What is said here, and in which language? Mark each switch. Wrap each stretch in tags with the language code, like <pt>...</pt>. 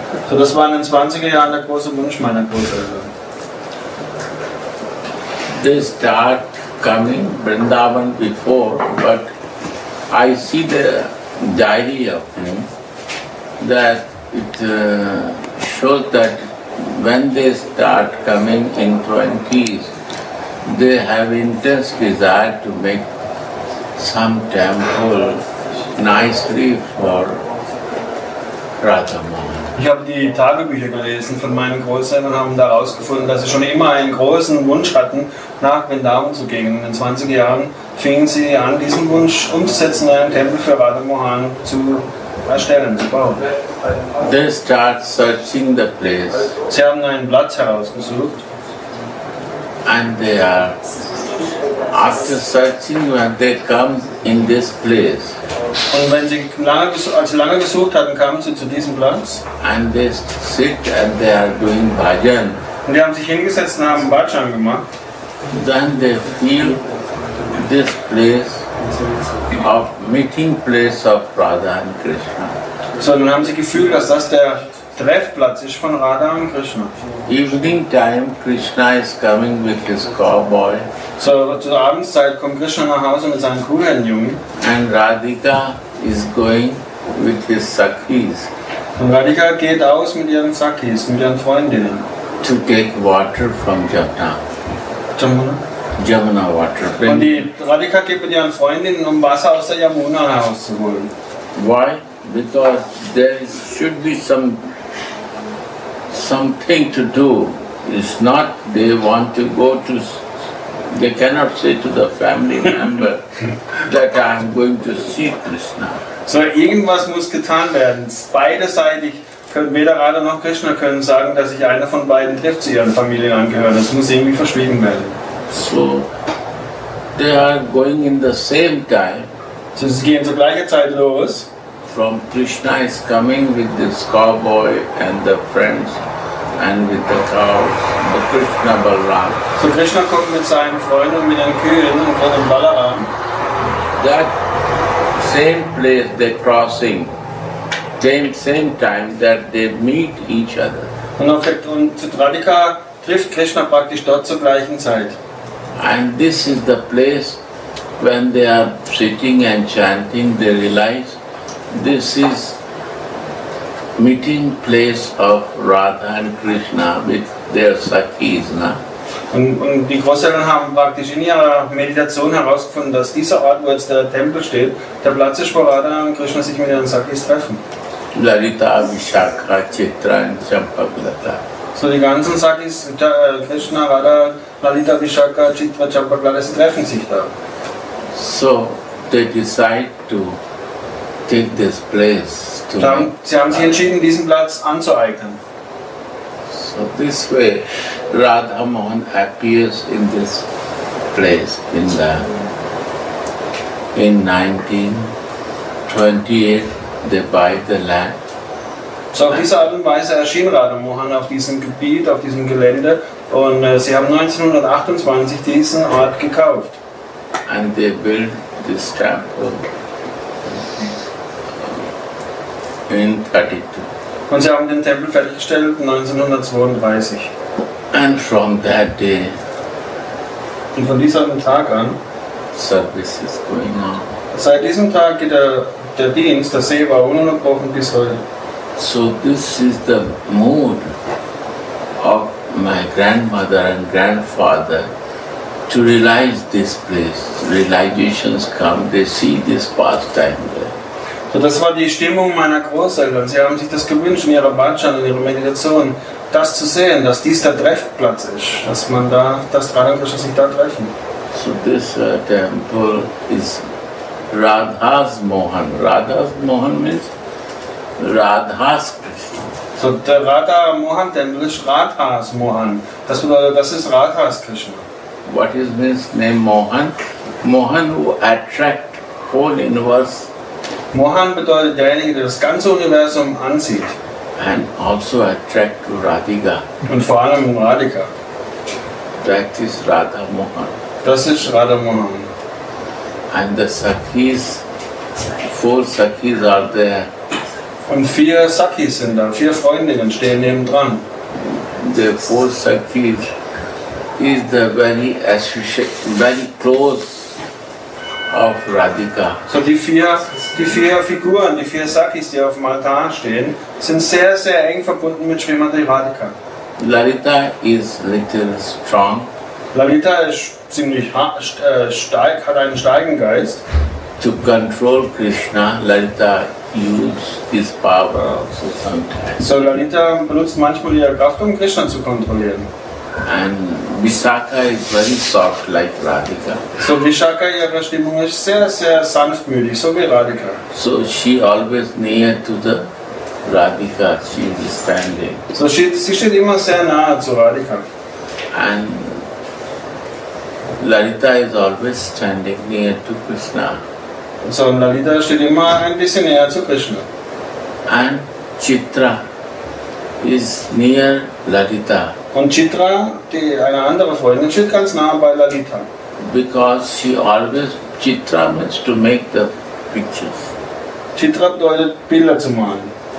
<de>So, das war in den 20er Jahren der große Wunsch meiner Großeltern.</de> <en>They start coming Vrindavan before, but I see the diary of him that it shows that when they start coming in 20s, they have intense desire to make some temple nicely for Radha Mohan.</en> <de>Ich habe die Tagebücher gelesen von meinen Großeltern und haben da herausgefunden, dass sie schon immer einen großen Wunsch hatten, nach Vrindavan zu gehen. In den 20 Jahren fingen sie an, diesen Wunsch umzusetzen, einen Tempel für Radha Mohan zu erstellen, zu bauen.</de> <en>They start searching the place.</en> <de>Sie haben einen Platz herausgesucht.</de> <en>And they are after searching when they come in this place.</en> <de>Und wenn sie lange gesucht hatten, kamen sie zu diesem Platz.</de> <en>And they sit and they are doing bhajan.</en> <de>Und die haben sich hingesetzt und haben Bhajan gemacht.</de> <en>Then they feel this place of meeting place of Radha and Krishna.</en> <de>So dann haben sie gefühlt, dass das der Treffplatz ist von Radha und Krishna.</de> <en>Evening time, Krishna is coming with his cowboy.</en> <de>So, zur Abendszeit kommt Krishna nach Hause mit seinem coolen Jungen.</de> <en>And Radhika is going with his sakhis.</en> <de>Und Radhika geht aus mit ihren Sakhis, mit ihren Freundinnen.</de> <en>To take water from Jamuna. Jamuna? Jamuna water.</en> <de>Und die Radhika geht mit ihren Freundinnen, um Wasser aus der Jamuna herauszuholen.</de> <en>Why? Because there should be something to do. It's not they want to go to They cannot say to the family member that I am going to see Krishna.</en> <de>So irgendwas muss getan werden. Beiderseitig können weder Radha noch Krishna können sagen, dass sich einer von beiden trifft zu ihren Familienangehörigen. Das muss irgendwie verschwiegen werden.</de> <en>So they are going in the same time.</en> <de>So sie gehen zur gleichen Zeit los.</de> <en>From Krishna is coming with this cowboy and the friends and with the cows, the Krishna Balaram.</en> <de>So Krishna kommt mit seinen Freunden und mit den Kühen und von dem Balaram.</de> <en>That same place they crossing, same time that they meet each other.</en> <de>Und zu Radhika trifft Krishna praktisch dort zur gleichen Zeit.</de> <en>And this is the place when they are sitting and chanting, they realize this is meeting place of Radha and Krishna with their sakis, na?</en> <de>Und die Großeltern haben praktisch in ihrer Meditation herausgefunden, dass dieser Ort, wo jetzt der Tempel steht, der Platz ist, wo Radha und Krishna sich mit ihren Sakis treffen. Lalita, Vishakha, Chitra und Champaklata. So die ganzen Sakis, Krishna, Radha, Lalita, Vishakha, Chitra, Champaklata, sie treffen sich da.</de> <en>So they decide to take this place to</en> <de>Sie haben sich entschieden, diesen Platz anzueignen.</de> <en>So this way Radha Mohan appears in this place in the 1928 they buy the land.</en> <de>So auf diese Art und Weise erschien Radha Mohan auf diesem Gebiet, auf diesem Gelände und sie haben 1928 diesen Ort gekauft.</de> <en>And they build this temple in 32.</en> <de>Und sie haben den Tempel fertiggestellt 1932.</de> <en>And from that day.</en> <de>Und von diesem Tag an.</de> <en>Service is going on.</en> <de>Seit diesem Tag geht der Dienst, der Seva, ununterbrochen bis heute.</de> <en>So this is the mood of my grandmother and grandfather to realize this place. Realizations come, they see this pastime there.</en> <de>So das war die Stimmung meiner Großeltern. Sie haben sich das gewünscht in ihrer Bhajan, in ihrer Meditation, das zu sehen, dass dies der Treffplatz ist, dass man da, dass Radha und Krishna sich da treffen.</de> <en>So this temple is Radha's Mohan. Radha's Mohan means Radha's Krishna.</en> <de>So der Radha Mohan Tempel ist Radha's Mohan. Das bedeutet, das ist Radha's Krishna.</de> <en>What is means name Mohan? Mohan who attract whole universe.</en> <de>Mohan bedeutet derjenige, der das ganze Universum anzieht.</de> <en>And also attract to Radhika.</en> <de>Und vor allem Radhika.</de> <en>That is Radha Mohan.</en> <de>Das ist Radha Mohan.</de> <en>And the Sakhis, four Sakhis are there.</en> <de>Und vier Sakhis sind da, vier Freundinnen stehen neben dran.</de> <en>The four Sakhis is the very associate, very close of Radhika.</en> <de>So die vier Figuren, die vier Sakis, die auf dem Altar stehen, sind sehr, sehr eng verbunden mit Srimati Radhika.</de> <en>Lalita is little strong.</en> <de>Lalita ist ziemlich stark, hat einen starken Geist.</de> <en>To control Krishna, Lalita uses his power also sometimes.</en> <de>So Lalita benutzt manchmal ihre Kraft, um Krishna zu kontrollieren.</de> <en>And Vishakha is very soft like Radhika.</en> <de>So Vishakha, ihre Stimmung ist sehr, sehr sanftmütig, so wie Radhika.</de> <en>So she always near to the Radhika, she is standing.</en> <de>So sie steht immer sehr nahe zu Radhika.</de> <en>And Lalita is always standing near to Krishna.</en> <de>So Lalita steht immer ein bisschen näher zu Krishna.</de> <en>And Chitra is near Lalita.</en> <de>Und Chitra, eine andere Freundin, steht ganz nah bei Lalita.</de> <en>Because she always, Chitra means to make the pictures.</en> <de>Chitra bedeutet Bilder zu malen.</de>